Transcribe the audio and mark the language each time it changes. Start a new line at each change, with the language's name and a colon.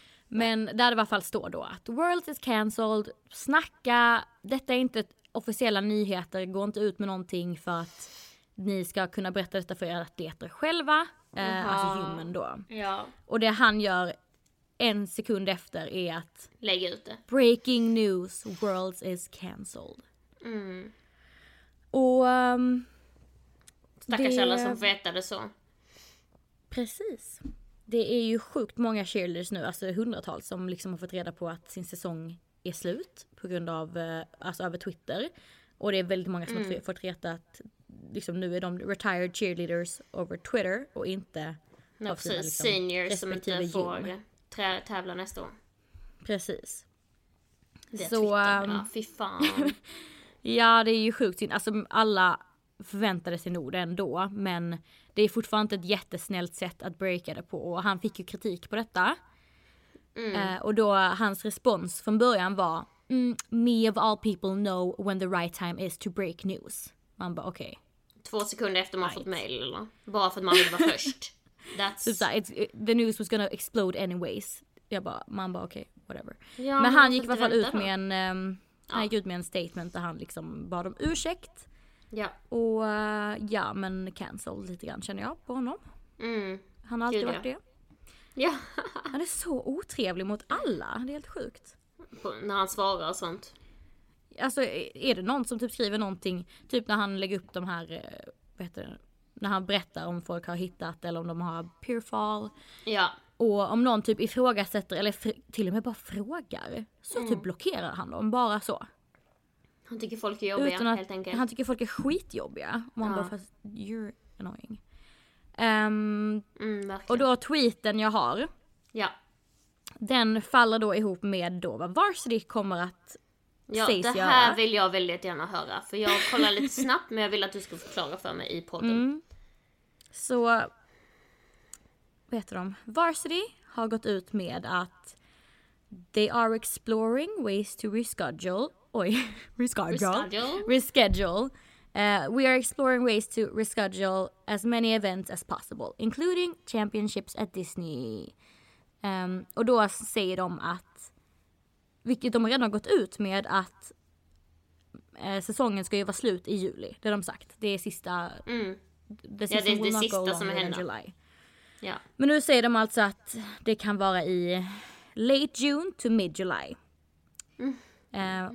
Swedish: Men där det i alla fall står då att
English: World is cancelled,
Swedish: snacka, detta är inte officiella nyheter, gå inte ut med någonting för att ni ska kunna berätta detta för er atleter själva, alltså human då. Ja. Och det han gör en sekund efter är att lägga ut det.
English: Breaking news, World is cancelled.
Swedish: Och stackars alla som vetade så. Precis. Det är ju sjukt många cheerleaders nu, alltså hundratals som liksom har fått reda på att sin säsong är slut på grund av alltså över Twitter. Och det är väldigt många som har fått reda att liksom, nu är de
English: retired cheerleaders over Twitter
Swedish: och inte av sina liksom, seniors som inte får tävla nästa år. Precis. Det så Twitter, fy fan. Ja, det är ju sjukt. Alltså alla förväntade sig nog det ändå, men det är fortfarande inte ett jättesnällt sätt att breaka det på. Och han fick ju kritik på detta. Och då hans respons från början var
English: me of all people know when the right time is to break news.
Swedish: Man bara, okej.
English: Okay.
Swedish: 2 sekunder efter man fått mail, eller? Bara för att man ville vara först.
English: That's so, the news was gonna explode anyways.
Swedish: Jag bara, man bara, okej,
English: okay, whatever.
Swedish: Ja, men han gick i alla fall ut med en han gick ut med en statement där han liksom bad om ursäkt. Ja. Och ja, men cancel lite grann känner jag på honom. Han har alltid varit det. Ja. Han är så otrevlig mot alla. Det är helt sjukt. När han svarar och sånt. Alltså, är det någon som typ skriver någonting typ när han lägger upp de här när han berättar om folk har hittat eller om de har peerfall. Ja. Och om någon typ ifrågasätter eller till och med bara frågar så typ blockerar han dem. Bara så. Han tycker folk är jobbiga, helt enkelt. Han tycker folk är skitjobbiga. Man bara, fast
English: you're annoying.
Swedish: Verkligen. Och då tweeten jag har. Ja. Den faller då ihop med då vad Varsity kommer att sägs göra. Ja, det här vill jag väldigt gärna höra. För jag kollar lite snabbt, men jag vill att du ska förklara för mig i podden. Mm. Så, vet du om? Varsity har gått ut med att
English: they are exploring ways to reschedule.
Swedish: Oj, reschedule.
English: We are exploring ways to reschedule as many events as possible, including championships at Disney.
Swedish: Och då säger de att, vilket de redan har gått ut med, att säsongen ska ju vara slut i juli. Det har de sagt. Det är sista. Det är det sista som händer. Ja. Men nu säger de alltså att det kan vara i
English: late June to mid July.
Swedish: Mm.